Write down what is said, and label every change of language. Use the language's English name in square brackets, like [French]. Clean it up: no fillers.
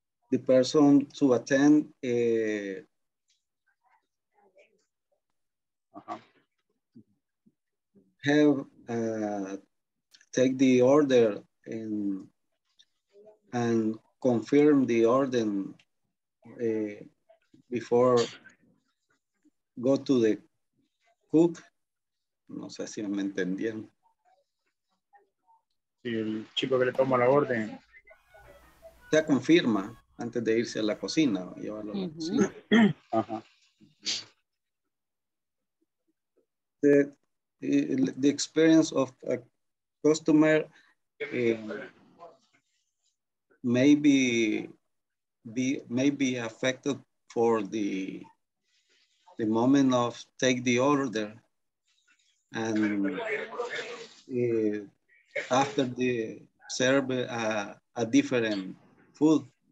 [English] The person to attend have take the order and confirm the order before go to the cook. [Spanish] No sé si me entendieron. Sí, el chico que le toma la orden. Se confirma antes de irse a la cocina. Llevarlo a la cocina. Ajá. [English] The experience of a customer may be affected for the moment of take the order, and after the serve a different food.